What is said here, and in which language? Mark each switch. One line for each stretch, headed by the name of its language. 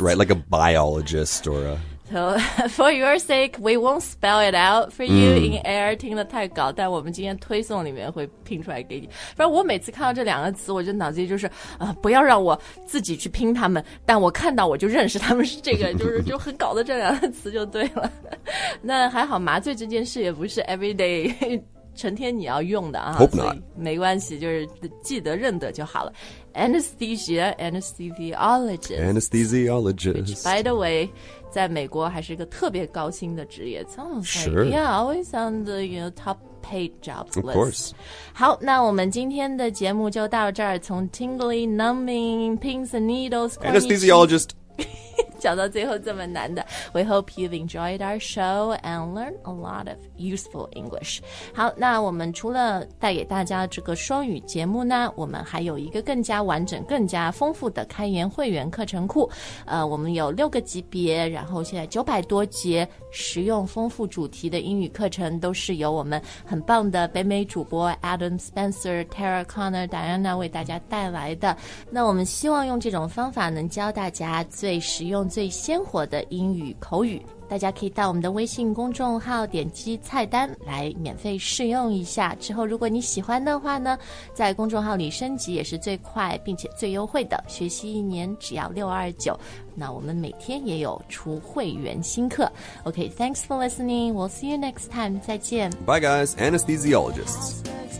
English: Right, like a biologist or a... So, for your sake, we won't spell it out for you、mm. in air.
Chinese: 听得太高，但我们今天推送里面会拼出来给你。反正我每次看到这两个词，我就脑子里就是、不要让我自己去拼他们。但我看到我就认识他们是这个，就是就很搞的这两个词就对了。那还好，麻醉这件事也不是
English: every day
Chinese: 成天你要用的啊。
English: Hope not.
Chinese: 没关系，就是记得认得就好了。
English: Anesthesia, anesthesiologist. Anesthesiologist. Which, by the way,
Chinese: 在美国还是一个特别高薪的职业。
English: Sounds like, sure. Yeah, always on the you know, top paid job list. Of course.
Chinese: 好，那我们今天的节目就到这儿。从
English: tingly, numbing, pins and needles, anesthesiologist.
Chinese: 讲到最后这么难的。
English: We hope you've enjoyed our show and learned a lot of useful English.
Chinese: 好，那我们除了带给大家这个双语节目呢，我们还有一个更加完整、更加丰富的开源会员课程库。我们有六个级别，然后现在900多节实用丰富主题的英语课程，都是由我们很棒的北美主播 Adam Spencer、Tara Connor、Diana 为大家带来的。那我们希望用这种方法能教大家最实用。用最鲜活的英语口语，大家可以到我们的微信公众号点击菜单来免费试用一下。之后如果你喜欢的话呢，在公众号里升级也是最快并且最优惠的，学习一年只要629。那我们每天也有出会员新课。
English: OK, thanks for listening. We'll see you next time.
Chinese: 再见。
English: Bye guys, anesthesiologists.